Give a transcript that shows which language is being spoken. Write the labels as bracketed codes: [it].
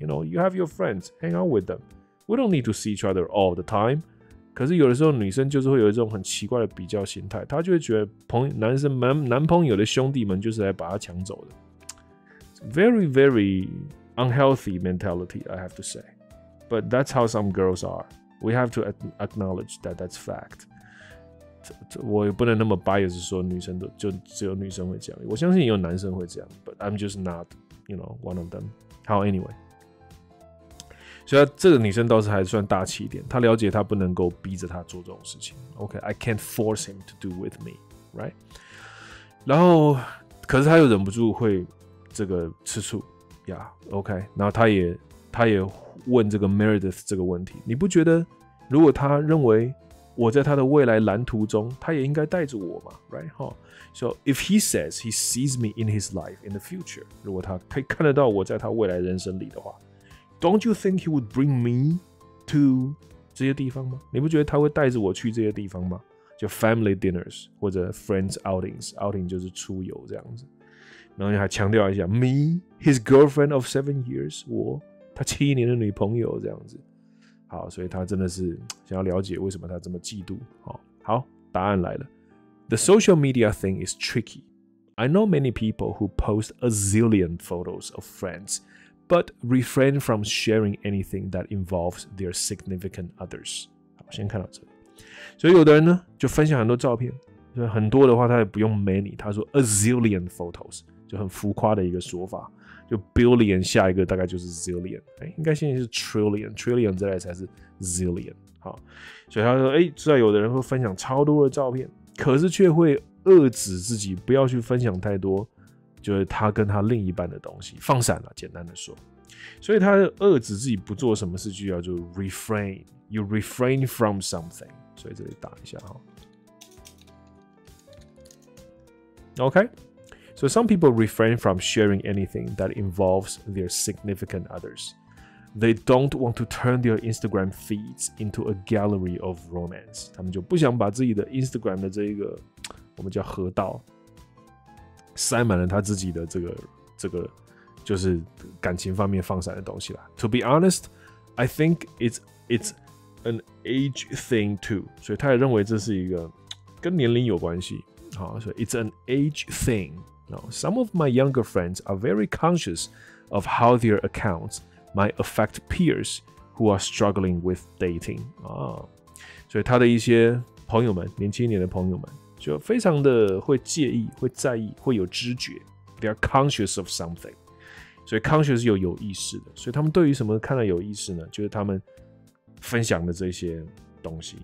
[en] You know, you have your friends, hang out with them. We don't need to see each other all the time. [zh] 可是有的时候女生就是会有一种很奇怪的比较心态，她就会觉得朋友男生男朋友的兄弟们就是来把她抢走的。 [en] Very, very unhealthy mentality, I have to say. But that's how some girls are. We have to acknowledge that that's fact. [zh] 我也不能那么 bias 说女生都就只有女生会这样，我相信也有男生会这样。 [en] But I'm just not, you know, one of them. How anyway? [zh] 所以这个女生倒是还算大气一点，她了解她不能够逼着她做这种事情。 [en] OK，I、okay, can't force him to do with me, right？ [zh] 然后，可是她又忍不住会这个吃醋呀。 Yeah, OK， 然后她也问这个 Meredith 这个问题。你不觉得如果她认为我在她的未来蓝图中，她也应该带着我吗 ？Right？ [en] 哈、huh? ，So if he says he sees me in his life in the future， [zh] 如果他可以看得到我在他未来人生里的话。 [en] Don't you think he would bring me to [zh] 这些地方吗？你不觉得他会带着我去这些地方吗？就 [en] family dinners [zh] 或者 [en] friends outings [zh] 就是出游这样子。然后还强调一下 [en] me his girlfriend of 7 years [zh] 我他7年的女朋友这样子。好，所以他真的是想要了解为什么他这么嫉妒。好，答案来了。 [en] The social media thing is tricky. I know many people who post a zillion photos of friends. But refrain from sharing anything that involves their significant others. [zh] 好，先看到这里。所以有的人呢，就分享很多照片，所以很多的话，他也不用 many， 他说 [en] a zillion photos， [zh] 就很浮夸的一个说法，就 billion 下一个大概就是 zillion， 哎、欸，应该现在是 trillion 这类才是 zillion。好，所以他说，哎、欸，虽然有的人会分享超多的照片，可是却会遏制自己不要去分享太多。就是他跟他另一半的东西放闪了，简单的说，所以他遏制自己不做什么事，就要就 refrain， [en] you refrain from something， [zh] 所以这里打一下哈。 [en] OK， so some people refrain from sharing anything that involves their significant others. They don't want to turn their Instagram feeds into a gallery of romance. [zh] 他们就不想把自己的 Instagram 的这一个我们叫河道。塞满了他自己的这个就是感情方面放闪的东西啦。 [en] To be honest, I think it's an age thing too. [zh] 所以他也认为这是一个跟年龄有关系。好，所以 [en] it's an age thing. Now, some of my younger friends are very conscious of how their accounts might affect peers who are struggling with dating. [zh] 啊，所以他的一些朋友们，年轻一点的朋友们，就非常的会介意，会在意，会有知觉。 [en] They are conscious of something. [zh] 所以 [en] conscious [zh] 是有意识的。所以他们对于什么看到有意识呢？就是他们分享的这些东西。